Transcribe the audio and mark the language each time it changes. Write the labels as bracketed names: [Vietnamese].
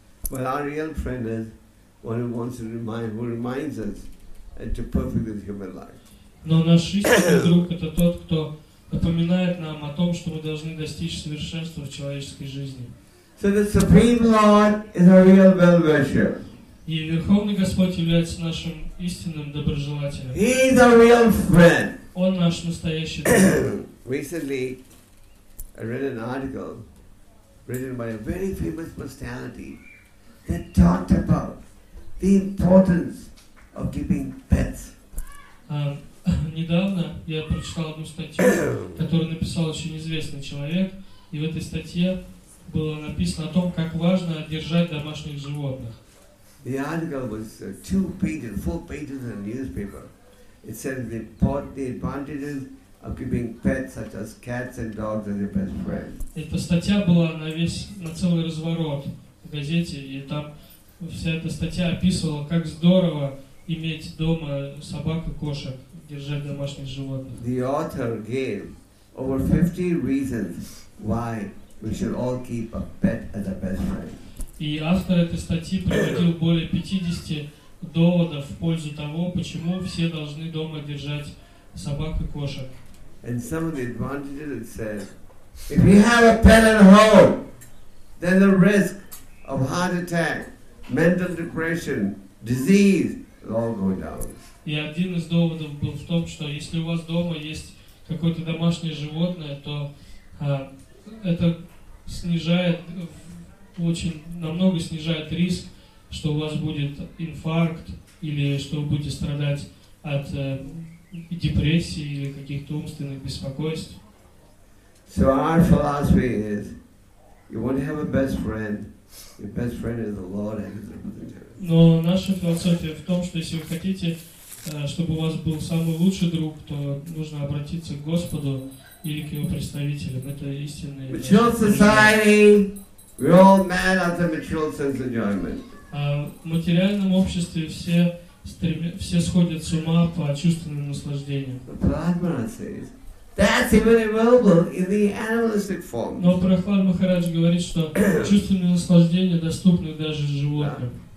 [English] But well, our real friend is one who wants to remind, who reminds us and to perfect his human life. [Russian] Но наш истинный друг — это тот, кто напоминает нам о том, что мы должны достичь совершенства в человеческой жизни. [English] So the Supreme Lord is our real well-wisher. [Russian] И Верховный Господь является нашим истинным доброжелателем. [English] He is our real friend. [Russian] Он наш настоящий друг. [English] Recently, I read an article written by a very famous personality that talked about the importance of keeping pets. [Russian] Недавно я прочитал одну статью, которую написал очень известный человек, и в этой статье было написано о том, как важно держать домашних животных. [English] The article was four pages in a newspaper. It says the advantages of keeping pets such as cats and dogs as your best friend. [Russian] Эта статья была на целый разворот в газете, и там вся эта статья описывала, как здорово иметь дома собак и кошек, держать домашних животных. [English] The author gave over 50 reasons why we should all keep a pet as a best friend. [Russian] И автор этой статьи приводил более 50 доводов в пользу того, почему все должны дома держать собак и кошек. [English] And some of the advantages it says, if you have a pet at home, then the risk of heart attack, mental depression, disease will all go down. [Russian] И один из доводов был в том, что если у вас дома есть какое-то домашнее животное, то это снижает, очень намного снижает риск, что у вас будет инфаркт, или что вы будете страдать от депрессии или каких-то умственных беспокойств. [English] So our philosophy is, you want to have a best friend, your best friend is the Lord and His representative. [Russian] Но наша философия в том, что если вы хотите, чтобы у вас был самый лучший друг, то нужно обратиться к Господу или к Его представителям. Это истинный... [English] Mature society, we're all mad at the mature sense enjoyment. [Russian] В материальном обществе все сходят с ума по чувственным наслаждениям. Но Прахлад Махарадж говорит, что чувственные наслаждения доступны даже животным.